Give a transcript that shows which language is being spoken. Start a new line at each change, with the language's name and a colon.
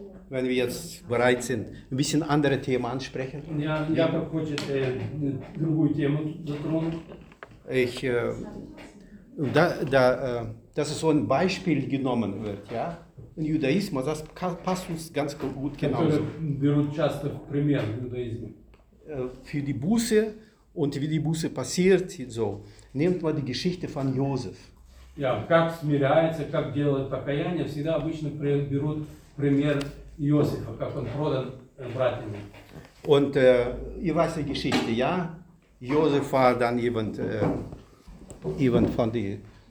German: wenn wir jetzt bereit sind, ein bisschen andere Themen ansprechen.
Russian: Ja, Jakob хочет другую тему затронуть.
German: Ich, dass es so ein Beispiel genommen wird, ja, in Judaismus, das passt uns ganz gut genauso.
Russian: Берут часто в пример иудаизм.
German: Für die Buße und wie die Buße passiert, so, nehmt mal die Geschichte von Josef.
Russian: Ja, как смиряется, как делает покаяние, всегда обычно берут пример Иосифа, как он продан братьями.
German: Und ihr weißt die Geschichte, ja? Josef war dann jemand von den